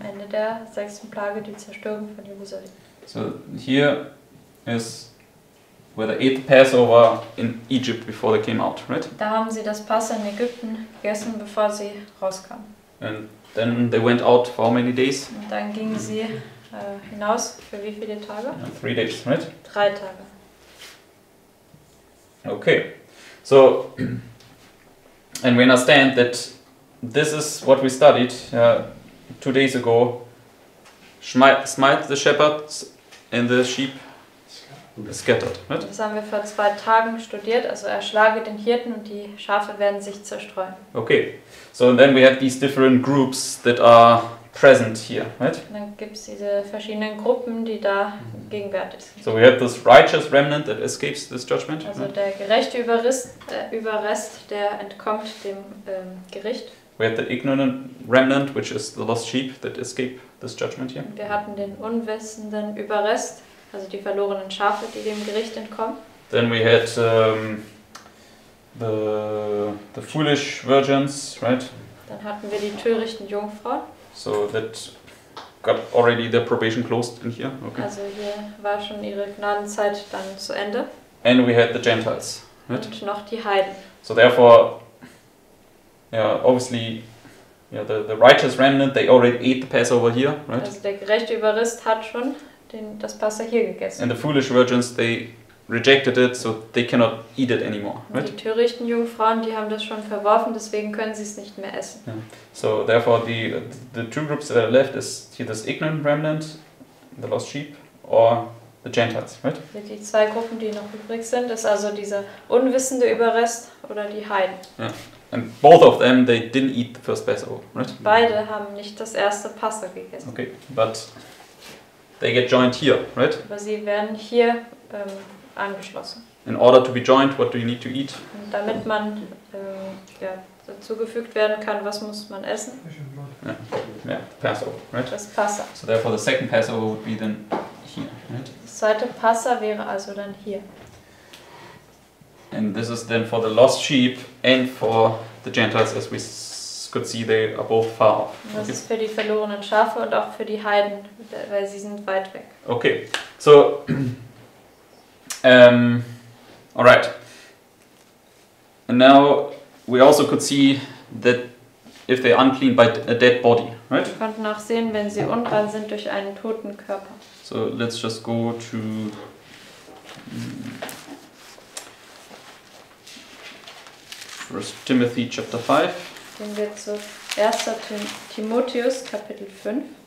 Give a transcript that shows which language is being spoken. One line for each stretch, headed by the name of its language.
German: Ende der sechsten Plage, die Zerstörung von Jerusalem.
English: So, here is where they ate the Passover in Egypt before they came out, right?
German: Da haben sie das Passa in Ägypten gegessen, bevor sie rauskamen.
English: And then they went out for how many days?
German: Und dann gingen sie hinaus für wie viele Tage?
English: Yeah, 3 days, right?
German: 3 Tage.
English: Okay, so. And we understand that this is what we studied 2 days ago. Smite the shepherds and the sheep scattered. Right?
German: Das haben wir vor 2 Tagen studiert. Also erschlage den Hirten und die Schafe werden sich zerstreuen.
English: Okay. So and then we have these different groups that are present here. Right?
German: Und dann gibt es diese verschiedenen Gruppen, die da gegenwärtig sind.
English: So we have this righteous remnant that escapes this judgment.
German: Also der gerechte Überrest, der entkommt dem Gericht.
English: We have the ignorant remnant, which is the lost sheep that escape this judgment here.
German: Wir hatten den unwissenden Überrest, also die verlorenen Schafe, die dem Gericht entkommen.
English: Then we had the foolish virgins, right?
German: Dann hatten wir die törichten Jungfrauen.
English: So that got already the probation closed in here. Okay.
German: Also hier war schon ihre Gnadenzeit dann zu Ende.
English: And we had the Gentiles. Right?
German: Und noch die Heiden.
English: So therefore, yeah, obviously, yeah, the righteous remnant, they already ate the Passover here, right?
German: Also der gerechte Überrest hat schon das Passa hier gegessen.
English: And the foolish virgins, they rejected it, so they cannot eat it anymore. Right?
German: Die törichten Jungfrauen, die haben das schon verworfen, deswegen können sie es nicht mehr essen.
English: Yeah. So therefore the two groups that are left is here this ignorant remnant, the lost sheep, or the Gentiles, right?
German: Die zwei Gruppen, die noch übrig sind, ist also dieser unwissende Überrest oder die Heiden.
English: Yeah. And both of them, they didn't eat the first Passover, right?
German: Beide haben nicht das erste Passa gegessen.
English: Okay, but they get joined here, right?
German: Aber sie werden hier angeschlossen.
English: In order to be joined, what do you need to eat?
German: Und damit man dazugefügt werden kann, was muss man essen?
English: Yeah. Yeah. Passover, right?
German: Das Passa.
English: So therefore the second Passover would be then here, right?
German: Das zweite Passa wäre also dann hier.
English: And this is then for the lost sheep and for the Gentiles, as we could see, they are both far off.
German: Und das ist für die verlorenen Schafe und auch für die Heiden, weil sie sind weit weg.
English: Okay, so all right. And now we also could see that if they are unclean by a dead body, right?
German: Wir konnten auch sehen, wenn sie unrein sind durch einen toten Körper.
English: So let's just go to First Timothy chapter 5.
German: Gehen wir zu 1. Timotheus Kapitel 5.